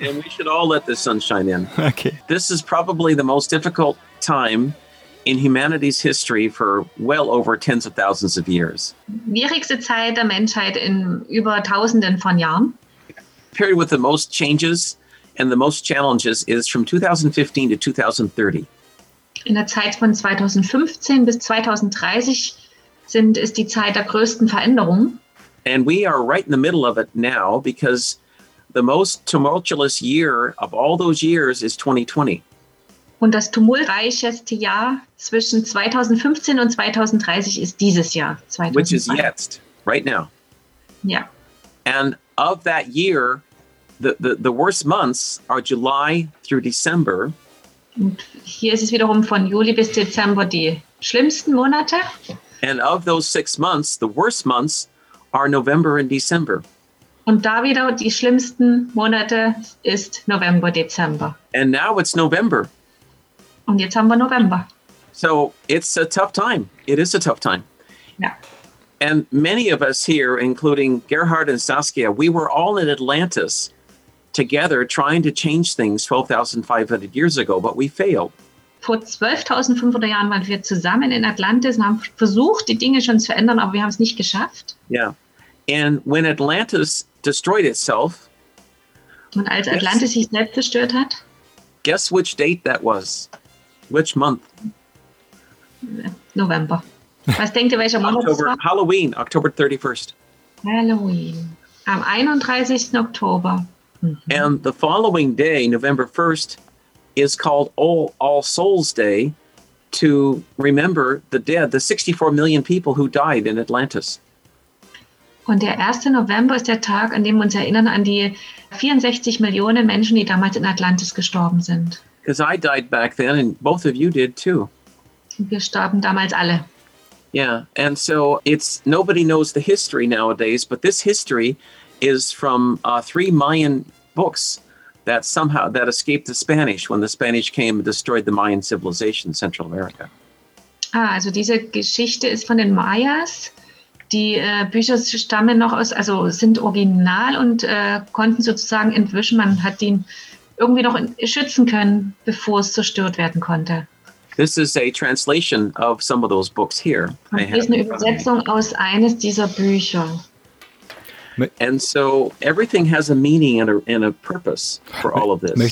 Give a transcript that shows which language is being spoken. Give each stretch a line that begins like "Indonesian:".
English: And we should all let the sunshine in. Okay. This is probably the most difficult time in humanity's history for well over tens of thousands of years.
German: Schwierigste Zeit der Menschheit in über tausenden von Jahren.
English: Period with the most changes and the most challenges is from 2015 to 2030.
German: In der Zeit von 2015 bis 2030 ist die Zeit der größten Veränderung.
English: And we are right in the middle of it now because the most tumultuous year of all those years is 2020.
German: Und das tumultreichste Jahr zwischen 2015 und 2030 ist dieses Jahr, 2020.
English: Which is
German: jetzt,
English: right now. Yeah. And of that year, the worst months are July through December.
German: Und hier ist es wiederum von Juli bis Dezember die schlimmsten Monate.
English: And of those 6 months, the worst months are November and December.
German: Und da wieder die schlimmsten Monate ist November, Dezember.
English: And now it's November.
German: Und jetzt haben wir November.
English: So it's a tough time. It is a tough time. Yeah. And many of us here, including Gerhard and Saskia, we were all in Atlantis together trying to change things 12,500 years ago, but we failed.
German: Vor 12.500 Jahren waren wir zusammen in Atlantis und haben versucht, die Dinge schon zu ändern, aber wir haben es nicht geschafft.
English: Yeah. And when Atlantis destroyed itself,
German: und als Atlantis sich selbst zerstört hat,
English: guess which date that was? Which month?
German: November. Was denkt ihr, welcher Monat
English: October,
German: das war?
English: Halloween, October 31st.
German: Halloween. Am 31. Oktober. Mhm.
English: And the following day, November 1st, is called All Souls Day to remember the dead, the 64 million people who died in Atlantis.
German: Und der 1. November ist der Tag, an dem wir uns erinnern an die 64 Millionen Menschen, die damals in Atlantis gestorben sind.
English: Because I died back then and both of you did too.
German: Wir starben damals alle.
English: Yeah, and so it's nobody knows the history nowadays, but this history is from three Mayan books. That escaped the Spanish when the Spanish came and destroyed the Mayan civilization in Central America.
German: Ah, also diese Geschichte ist von den Mayas. Die Bücher stammen noch aus, also sind original und konnten sozusagen entwischen. Man hat die irgendwie noch schützen können, bevor es zerstört werden konnte.
English: This is a translation of some of those books here.
German: Das ist eine Übersetzung aus eines dieser Bücher.
English: And so everything has a meaning and a purpose for all of this.